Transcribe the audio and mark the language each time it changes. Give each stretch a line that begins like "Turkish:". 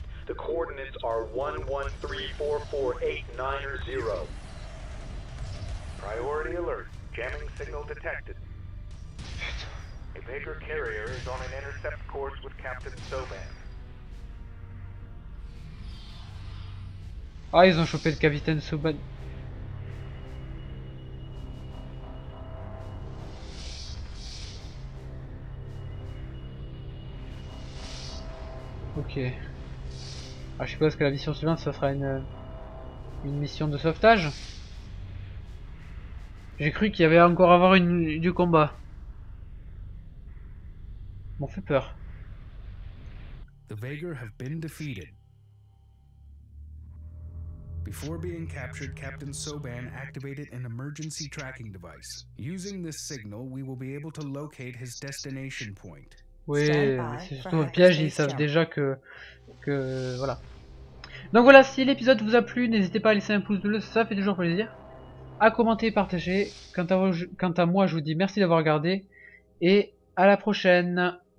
English: The coordinates are 11344890. Priority alert, jamming signal detected. A Vager carrier is on an intercept course with Captain Soban.
French: Ah, ils ont chopé le capitaine Soban. Ok. Ah, je suppose que la mission suivante, ça sera une mission de sauvetage. J'ai cru qu'il y avait encore à avoir du combat. M'en fait peur.
English: The Vager have been defeated. Before being captured, Captain Soban activated an emergency tracking device. Using this signal, we will be able to locate his destination point.
French: Oui, c'est surtout un piège, ils savent déjà que voilà. Donc voilà, si l'épisode vous a plu, n'hésitez pas à laisser un pouce bleu, ça fait toujours plaisir. à commenter et partager. Quant à moi, je vous dis merci d'avoir regardé et à la prochaine.